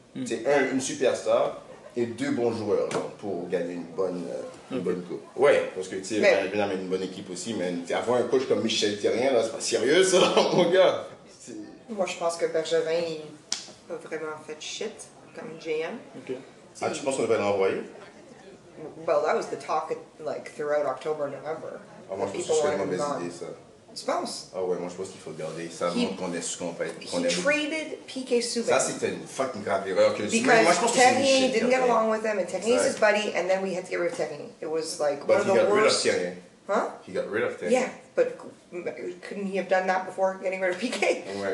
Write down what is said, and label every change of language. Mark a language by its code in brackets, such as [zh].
[fr] T'sais, une superstar. Et deux bons joueurs genre, pour gagner une bonne coupe. Ouais, parce que tu sais, on a bien une bonne équipe aussi, mais avoir un coach comme Michel Therrien, là, c'est pas sérieux ça, mon gars. C'est... Moi, je pense que Bergevin, il a vraiment fait shit comme GM. Ok. Ah, tu penses qu'on devait l'envoyer? [en] Well, that was the talk like throughout October, November. [fr] Ah, moi, je pense que c'est une mauvaise idée ça. Tu penses? Ah, ouais, moi, je pense qu'il faut garder ça, montre qu'on est ce qu'on peut être. [en] He traded PK Subban. [fr] Ça, c'était une fucking grave erreur que Subban. [en] Because Terry didn't get along with him, and Terry's his buddy, and then we had to get rid of Terry. It was like but one of the worst. But he got rid of Terry. Huh? He got rid of Terry. Yeah, but couldn't he have done that before getting rid of PK?